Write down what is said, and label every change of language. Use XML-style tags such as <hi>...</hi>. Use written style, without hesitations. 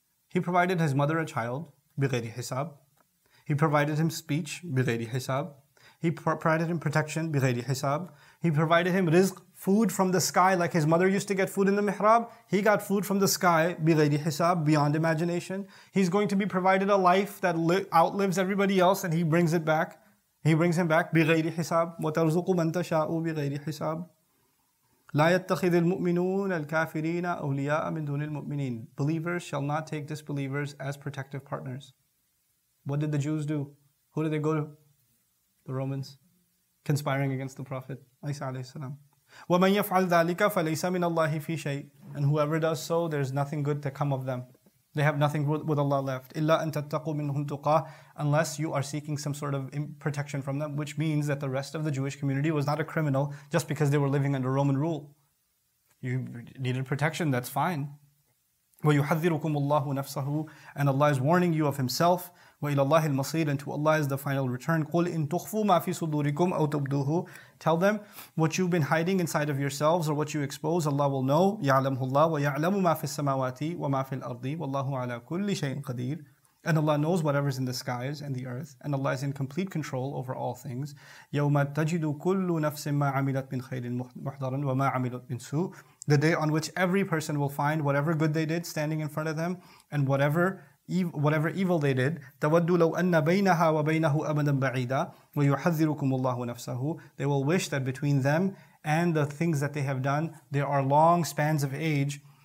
<en>He provided his mother a child, بِغَيْرِ حِسَابٍ He provided him speech, بِغَيْرِ حِسَاب. He provided him protection, بِغَيْرِ حِسَاب. He provided him rizq, food from the sky, like his mother used to get food in the mihrab. He got food from the sky, بِغَيْرِ حِسَاب, beyond imagination. He's going to be provided a life that outlives everybody else, and he brings it back. He brings him back</en> <ar>بِغَيْرِ حِسَابٍ وَتَرْزُقُ مَنْ تَشَاءُ بِغَيْرِ حِسَابٍ لَا يَتَّخِذِ الْمُؤْمِنُونَ الْكَافِرِينَ أَوْلِيَاءَ مِنْ دُونِ الْمُؤْمِنِينَ</ar> <en>Believers shall not take disbelievers as protective partners. What did the Jews do? Who did they go to? The Romans, conspiring against the Prophet Isa alayhi salam.</en> <ar>وَمَنْ يَفْعَلْ ذَلِكَ فَلَيْسَ مِنَ اللَّهِ فِي شَيْءٍ</ar> <en>And whoever does so, there's nothing good to come of them. They have nothing with Allah left.</en> <ar>إِلَّا أَن تَتَّقُوا مِنْهُمْ تُقَاهُ</ar> <en>Unless you are seeking some sort of protection from them, which means that the rest of the Jewish community was not a criminal just because they were living under Roman rule. You needed protection, that's fine.</en> <ar>وَيُحَذِّرُكُمُ اللَّهُ نَفْسَهُ</ar> <en>And Allah is warning you of Himself.</en> <ar>وَإِلَى اللَّهِ الْمَصِيرُ</ar> <en>And to Allah is the final return.</en> <ar>قُلْ إِن تُخْفُوا مَا فِي صُدُورِكُمْ أَوْ تُبْدُوهُ</ar> <en>Tell them, what you've been hiding inside of yourselves or what you expose, Allah will know.</en> <ar>يَعْلَمُهُ اللَّهُ وَيَعْلَمُ مَا فِي السَّمَاوَاتِ وَمَا فِي الْأَرْضِ وَاللَّهُ عَلَى كُلِّ شَيْءٍ قَدِيرٍ</ar> <en>And Allah knows whatever's in the skies and the earth. And Allah is in complete control over all things.</en> <ar>يَوْمَ تَجِدُ كُلُّ نَفْسٍ مَا عَمِلَتْ مِنْ خَيْرٍ مُحْضَرًا وَمَا عَمِلَتْ مِنْ سُوءٍ</ar> <en>The day on which every person will find whatever good they did standing in front of them and whatever evil they did,</en> <ar>تَوَدُّ لَوْ أَنَّ بَيْنَهَا وَبَيْنَهُ أَبَدًا بَعِيدًا وَيُحَذِّرُكُمُ اللَّهُ نَفْسَهُ</ar> <en>They will wish that between them and the things that they have done, there are long spans of age.</en>